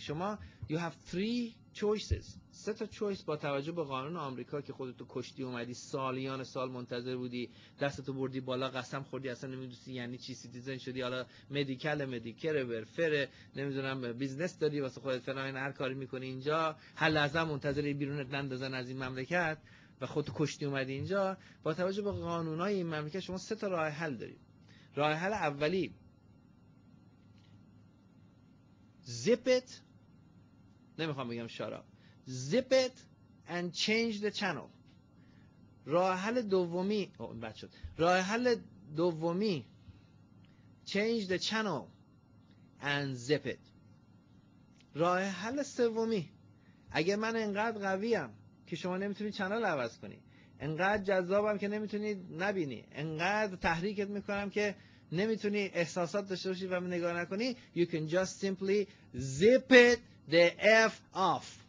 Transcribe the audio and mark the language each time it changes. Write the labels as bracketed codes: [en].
[fa] شما [en] you have three choices، [fa] سه تا choice با توجه به قانون آمریکا که خودتو کشتی اومدی سالیان سال منتظر بودی دستتو بردی بالا قسم خوردی اصلا نمیدونی یعنی چی سیتیزن شدی، حالا مدیکل مدیکر ورفر نمیدونم بیزنس داری واسه خودت فلان این هر کاری میکنی اینجا، هر لحظه منتظر بیرونت نندازن از این مملکت و خودتو کشتی اومدی اینجا. با توجه به قانونای این مملکت شما سه تا راه حل دارید. راه حل اولی [en] Zip it. [fa] نمیخوام بگم شراب. [en] Zip it and change the channel. [fa] راه حل دومی راه حل دومی [en] change the channel and zip it. [fa] راه حل سومی اگه من انقدر قویم که شما نمیتونی چنل عوض کنی، انقدر جذابم که نمیتونی نبینی، انقدر تحریکت میکنم که نمیتونی احساسات داشته باشی و نگاه نکنی، [en] you can just simply zip it the F off.